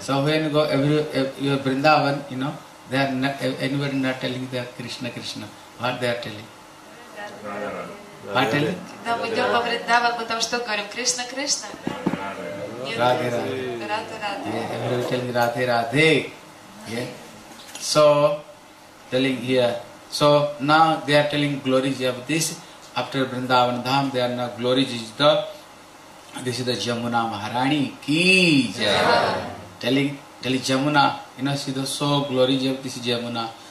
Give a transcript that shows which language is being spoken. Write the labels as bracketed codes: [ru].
[en] So when you go your Vrindavan, you know, they are not, anybody not telling that Krishna Krishna. What they are telling? Hotel? [ru] Когда мы идем во Вриндаван, мы там что говорим? Кришна, Кришна? Радхе, Радхе. Радхе, Радхе. [en] Yeah, everybody telling Радхе, Радхе. So, telling here. So, now they are telling glories of this. After Vrindavan Dham, they are now glories is the, this is the [hi] Jamuna Maharani ki jai. [en] Telling Jamuna, you know, she is so glories of this Jamuna.